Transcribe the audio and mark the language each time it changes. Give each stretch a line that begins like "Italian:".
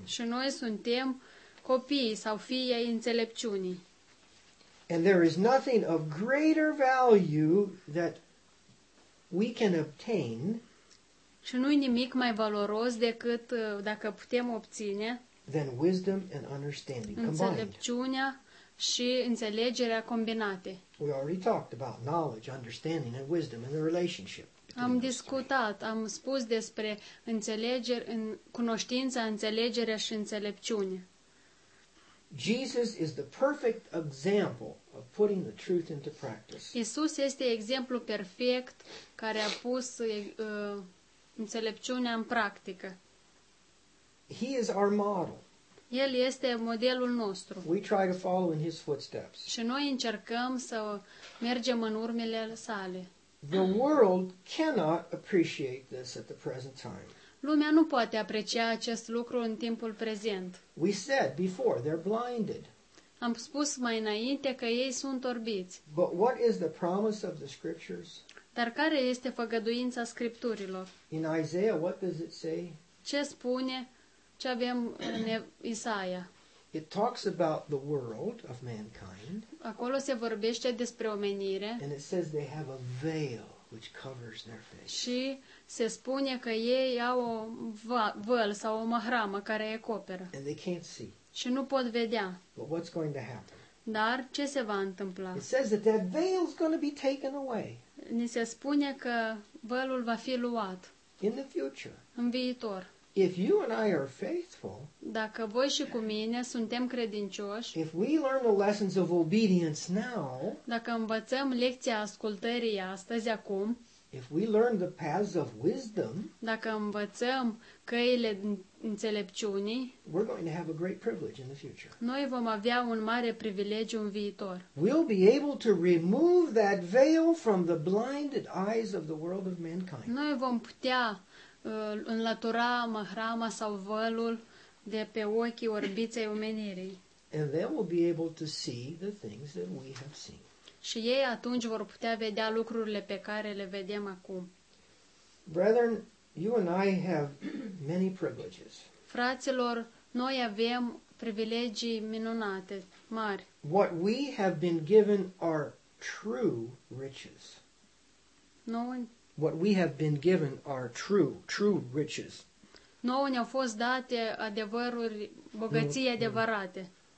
Romanian: Și noi suntem copiii sau fiii ai înțelepciunii.
English: And there is nothing of greater value that we can obtain.
Romanian: Și nu-i nimic mai valoros decât dacă putem obține.
English: Than wisdom and understanding combined.
Romanian: Înțelepciunea și înțelegerea combinate.
English: We already talked about knowledge, understanding and wisdom in the relationship.
Romanian: Am discutat, am spus despre înțelegere, în cunoștința, înțelegerea și înțelepciune.
English: Jesus is the perfect example of putting the truth into practice.
Romanian: Iisus este exemplul perfect care a pus înțelepciunea în practică.
English: He is our model.
Romanian: El este modelul nostru.
English: We try to follow in his footsteps.
Romanian: Și noi încercăm să mergem în urmele sale.
English: The world cannot appreciate this at the present time.
Romanian: Lumea nu poate aprecia acest lucru în timpul prezent.
English: We said before, they're blinded.
Romanian: Am spus mai înainte că ei sunt orbiți.
English: But what is the promise of the scriptures?
Romanian: Dar care este făgăduința scripturilor?
English: In Isaiah, what does it say?
Romanian: Ce spune? Ce avem în Isaia?
English: It talks about the world of mankind.
Romanian: Acolo se vorbește despre omenire.
English: And it says they have a veil which covers their face.
Romanian: Și se spune că ei au o văl sau o mahramă care îi acoperă.
English: And they can't see.
Romanian: Și nu pot vedea.
English: But what's going to happen?
Romanian: Dar ce se va întâmpla?
English: It says that that veil is going to be taken away.
Romanian: Ni se spune că vălul va fi luat.
English: In the future.
Romanian: În viitor.
English: If you and I are faithful.
Romanian: Dacă voi și cu mine suntem credincioși.
English: If we learn the lessons of obedience now.
Romanian: Dacă învățăm lecția ascultării astăzi acum.
English: If we learn the paths of wisdom.
Romanian: Dacă învățăm căile înțelepciunii.
English: We're going to have a great privilege in the future.
Romanian: Noi vom avea un mare privilegiu în viitor.
English: We'll be able to remove that veil from the blinded eyes of the world of mankind.
Romanian: Noi vom putea înlătura mahrama sau vălul de pe ochii orbiței omenirii.
English: And they will be able to see the things that we have seen.
Romanian: Și ei atunci vor putea vedea lucrurile pe care le vedem acum.
English: Brethren, you and I have many privileges.
Romanian: Fraților, noi avem privilegii minunate, mari.
English: What we have been given are true riches. What we have been given are true riches.
Romanian: Noi ne-au fost date adevăruri, bogății adevărate.